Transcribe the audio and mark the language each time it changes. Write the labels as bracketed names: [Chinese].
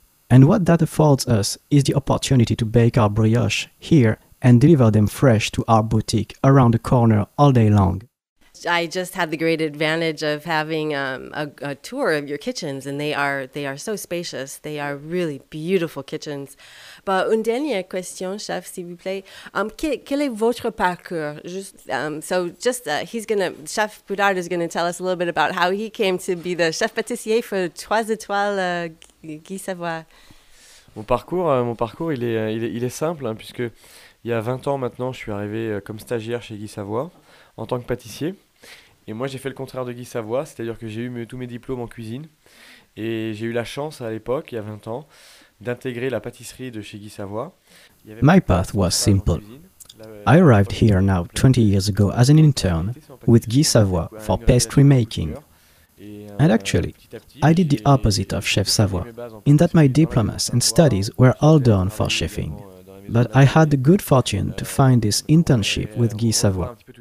[English] And what that affords us is the opportunity to bake our brioche here and deliver them fresh to our boutique around the corner all day long. I just had the great advantage of having a tour of your kitchens, and they are so spacious. They are really beautiful kitchens. [French] But une dernière question, chef, s'il vous plaît. Quel est votre parcours? [English] Chef Poudard is going to tell us a little bit about how he came to be the chef pâtissier for Trois Étoiles Guy Savoie. [French] Mon parcours, il est simple, hein, puisque il y a 20 ans maintenant, je suis arrivé comme stagiaire chez Guy Savoie en tant que pâtissier. Et moi, j'ai fait le contraire de Guy Savoie, c'est-à-dire que j'ai eu tous mes diplômes en cuisine. Et j'ai eu la chance à l'époque, il y a 20 ans, d'intégrer la pâtisserie de chez Guy Savoie. [English] My path was simple. I arrived here now 20 years ago as an intern with Guy Savoie for pastry making. And actually, I did the opposite of Chef Savoie, in that my diplomas and studies were all done for chefing. But I had the good fortune to find this internship with Guy Savoie.